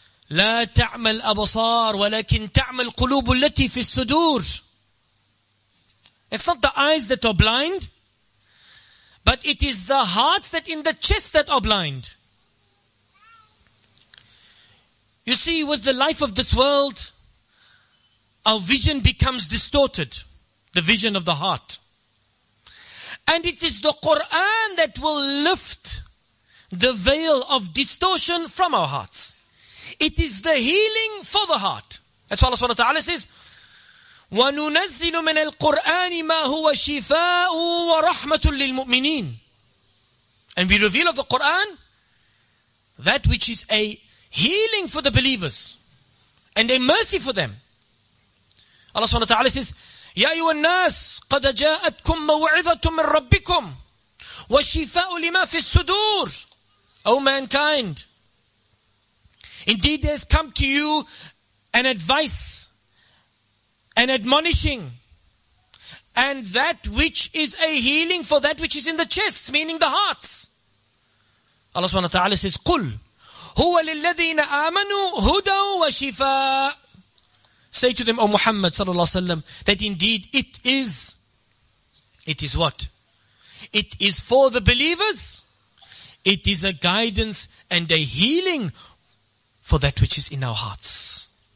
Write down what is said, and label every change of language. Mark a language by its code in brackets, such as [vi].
[ar] لا تعمل أبصار ولكن تعمل قلوب التي في الصدور. [en] It's not the eyes that are blind, but it is the hearts that in the chest that are blind. You see, with the life of this world, our vision becomes distorted, the vision of the heart. And it is the Quran that will lift the veil of distortion from our hearts. It is the healing for the heart. That's why Allah subhanahu wa ta'ala says, [ar] وَنُنَزِّلُ مِنَ الْقُرْآنِ مَا هُوَ شِفَاءٌ وَرَحْمَةٌ لِلْمُؤْمِنِينَ. [en] And we reveal of the Quran that which is a healing for the believers and a mercy for them. Allah subhanahu wa ta'ala says, [ar] يَا أَيُّهَا النَّاسُ قَدْ جَاءَتْكُم مَوْعِظَةٌ مِّن رَّبِّكُمْ وَشِفَاءٌ لِّمَا فِي الصُّدُورِ. [en] O mankind, indeed there has come to you an advice, an admonishing, and that which is a healing for that which is in the chest, meaning the hearts. Allah subhanahu wa ta'ala says, [ar] قُلْ هُوَ لِلَّذِينَ آمَنُوا هُدًى وَشِفَاءٌ. [en] Say to them, O Muhammad sallallahu alayhi wa sallam, that indeed it is what? It is for the believers, it is a guidance and a healing for that which is in our hearts.